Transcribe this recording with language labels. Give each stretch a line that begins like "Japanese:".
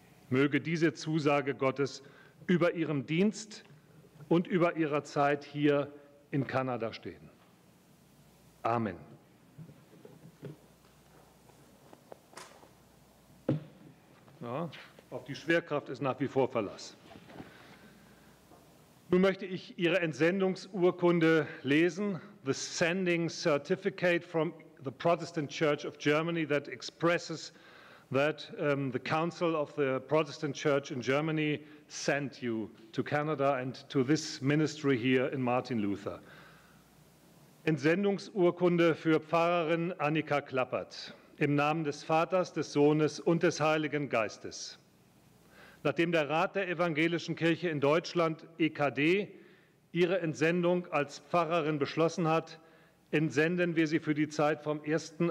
German: Möge diese Zusage Gottes über Ihrem Dienst und über Ihrer Zeit hier in Kanada stehen. Amen. Ja, auf die Schwerkraft ist nach wie vor Verlass. Nun möchte ich Ihre Entsendungsurkunde lesen,
English: The Sending Certificate from the Protestant Church of Germany that expresses that the Council of the Protestant Church in Germany sent you to Canada and to this ministry here in Martin Luther.
German: Entsendungsurkunde für Pfarrerin Annika Klappert. Im Namen des Vaters, des Sohnes und des Heiligen Geistes. Nachdem der Rat der Evangelischen Kirche in Deutschland, EKD, Ihre Entsendung als Pfarrerin beschlossen hat, entsenden wir Sie für die Zeit vom 1.